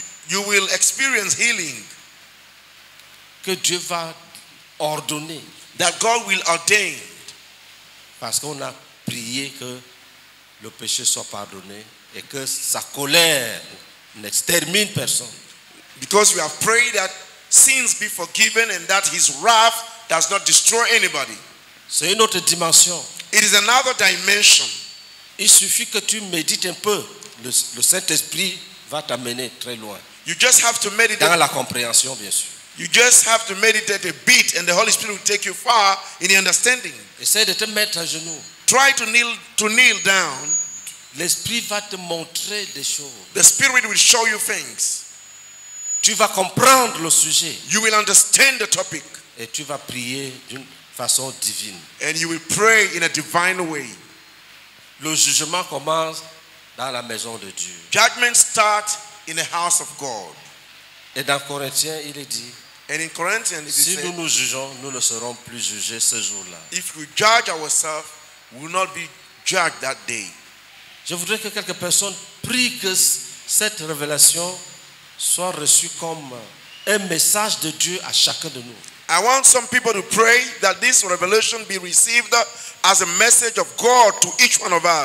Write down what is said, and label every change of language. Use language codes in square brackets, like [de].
[en] You will experience healing. [fr] Que Dieu va ordonné. [en] That God will ordain. [fr] Parce qu'on a prié que le péché soit pardonné et que sa colère n'extermine personne. [en] Because we have prayed that sins be forgiven and that his wrath does not destroy anybody. [fr] C'est une autre dimension. [en] It is another dimension. [fr] Il suffit que tu médites un peu. Le Saint-Esprit va t'amener très loin. [en] You just have to meditate. [fr] Dans la compréhension, bien sûr. [en] You just have to meditate a bit and the Holy Spirit will take you far in the understanding. [fr] Essaye de te mettre à genoux. [en] Try to kneel down. [fr] L'Esprit va te montrer des choses. [en] The Spirit will show you things. [fr] Tu vas comprendre le sujet. [en] You will understand the topic. [fr] Et tu vas prier d'une façon divine. [en] And you will pray in a divine way. [fr] Le jugement commence dans la maison de Dieu. [en] Judgment starts in the house of God. [fr] Et dans Corinthiens, il est dit, [en] and in Corinthians, [fr] si nous nous jugeons, nous ne serons plus jugés ce jour-là. [en] If we judge ourselves, we will not be judged that day. [fr] Je voudrais que quelques personnes prient que cette révélation soit reçue comme un message de Dieu à chacun de nous. [en] I want some people to pray that this revelation be received as a message of God to each one of us.